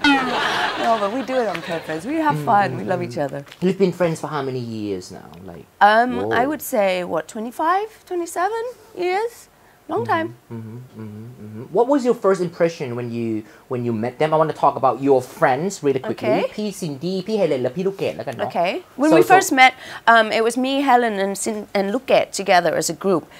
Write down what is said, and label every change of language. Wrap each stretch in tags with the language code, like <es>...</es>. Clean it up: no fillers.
<en>No, but we do it on purpose. We have fun. We love each other. You've been friends for how many years now? Like, I would say, what, 25, 27 years? Long time. What was your first impression when you met them? I want to talk about your friends really quickly. Okay.</en> <th>พี่ซินดี้พี่เฮเลนและพี่ลูกเกดแล้วกันเนาะ</th> <en>Okay. When we first met, it was me, Helen, and ลูกเกด together as a group.</en>